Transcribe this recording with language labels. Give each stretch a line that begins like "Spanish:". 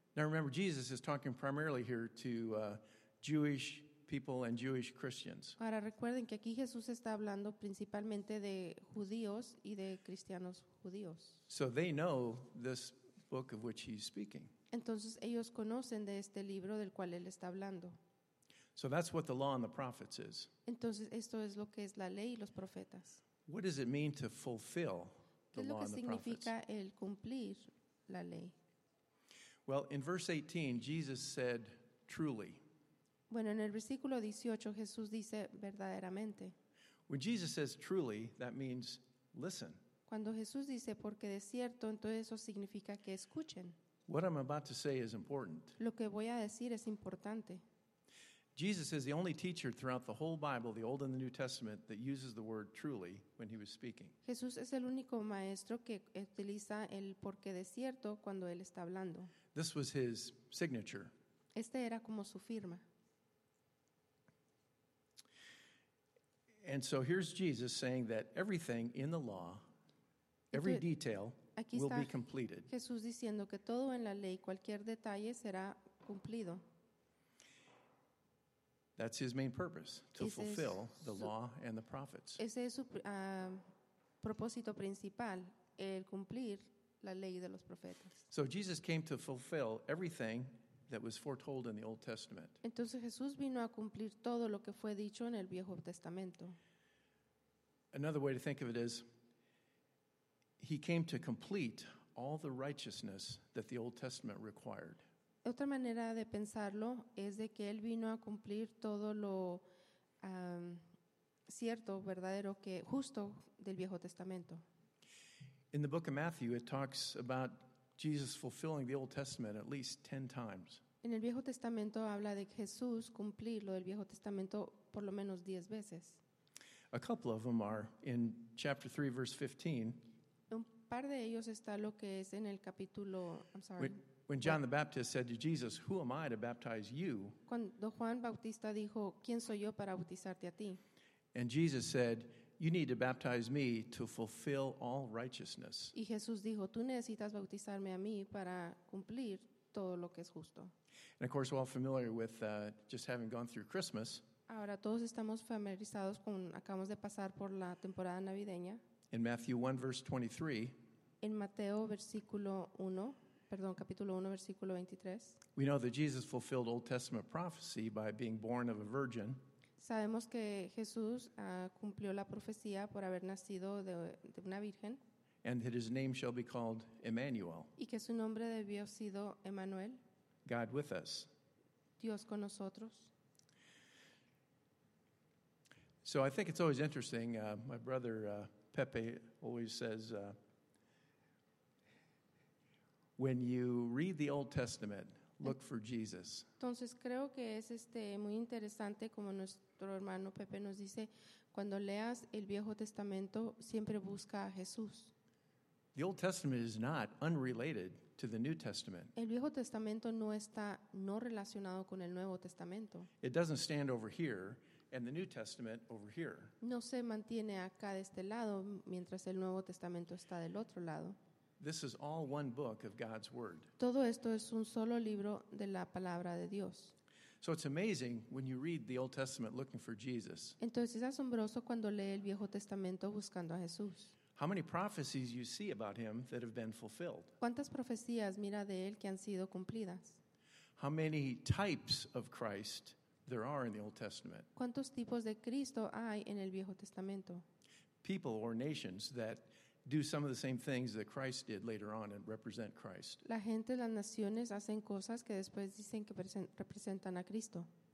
English: Now remember, Jesus is talking primarily here to Jewish people and Jewish Christians.
Spanish: Ahora recuerden que aquí Jesús está hablando principalmente de judíos y de cristianos judíos.
English: So they know this book of which he's speaking.
Spanish: Entonces ellos conocen de este libro del cual él está hablando.
English: So that's what the law and the prophets is.
Spanish: Entonces esto es lo que es la ley y los profetas.
English: What does it mean to fulfill the law and the prophets?
Spanish: ¿Qué es lo que significa el cumplir la ley?
English: Well, in verse 18, Jesus said, truly.
Spanish: Bueno, en el versículo 18, Jesús dice, verdaderamente.
English: When Jesus says truly, that means listen.
Spanish: Cuando Jesús dice, porque de cierto, entonces eso significa que escuchen.
English: What I'm about to say is important.
Spanish: Lo que voy a decir es importante.
English: Jesus is the only teacher throughout the whole Bible, the Old and the New Testament, that uses the word truly when he was speaking.
Spanish: Jesús es el único maestro que utiliza el porque de cierto cuando él está hablando.
English: This was his signature.
Spanish: Este era como su firma.
English: And so here's Jesus saying that everything in the law, every detail,
Spanish: aquí
English: will
Spanish: está
English: be completed.
Spanish: Jesús diciendo que todo en la ley, cualquier detalle será cumplido.
English: That's his main purpose, to fulfill the law and the prophets.
Spanish: Ese es su propósito principal, el cumplir la ley de los profetas.
English: So Jesus came to fulfill everything that was foretold in the Old Testament.
Spanish: Entonces Jesús vino a cumplir todo lo que fue dicho en el Viejo Testamento.
English: Another way to think of it is, he came to complete all the righteousness that the Old Testament required.
Spanish: Otra manera de pensarlo es de que él vino a cumplir todo lo cierto, verdadero, que justo del Viejo Testamento.
English: In the book of Matthew, it talks about Jesus fulfilling the Old Testament at least 10 times.
Spanish: En el Viejo Testamento habla de Jesús cumplir lo del Viejo Testamento por lo menos 10 veces.
English: A couple of them are in chapter 3, verse 15.
Spanish: Un par de ellos está lo que es en el capítulo,
English: I'm sorry. When John the Baptist said to Jesus, "Who am I to baptize you?"
Spanish: Cuando Juan Bautista dijo, "¿Quién soy yo para bautizarte a ti?"
English: And Jesus said, "You need to baptize me to fulfill all righteousness."
Spanish: Y Jesús dijo, "Tú necesitas bautizarme a mí para cumplir todo lo que es justo."
English: And of course, we're all familiar with just having gone through Christmas.
Spanish: Ahora todos estamos familiarizados con acabamos de pasar por la temporada navideña.
English: In Matthew 1 verse 23.
Spanish: En Mateo versículo 1. Perdón, capítulo 1, versículo 23.
English: We know that Jesus fulfilled Old Testament prophecy by being born of a virgin.
Spanish: Sabemos que Jesús cumplió la profecía por haber nacido de una virgen.
English: And that his name shall be called Emmanuel.
Spanish: Y que su nombre debió sido Emmanuel.
English: God with us.
Spanish: Dios con nosotros.
English: So I think it's always interesting. My brother Pepe always says, when you read the Old Testament, look for Jesus.
Spanish: Entonces creo que es muy interesante como nuestro hermano Pepe nos dice, cuando leas el Viejo Testamento, siempre busca a Jesús.
English: The Old Testament is not unrelated to the New Testament.
Spanish: El Viejo Testamento no está no relacionado con el Nuevo Testamento.
English: It doesn't stand over here and the New Testament over here.
Spanish: No se mantiene acá de este lado mientras el Nuevo Testamento está del otro lado.
English: This is all one book of God's word.
Spanish: Todo esto es un solo libro de la palabra de Dios.
English: So it's amazing when you read the Old Testament looking for Jesus.
Spanish: Entonces es asombroso cuando lee el Viejo Testamento buscando a Jesús.
English: How many prophecies you see about him that have been fulfilled?
Spanish: ¿Cuántas profecías mira de él que han sido cumplidas?
English: How many types of Christ there are in the Old Testament?
Spanish: ¿Cuántos tipos de Cristo hay en el Viejo Testamento?
English: People or nations that do some of the same things that Christ did later on and represent Christ.
Spanish: La gente, las naciones hacen cosas que después dicen que representan a Cristo.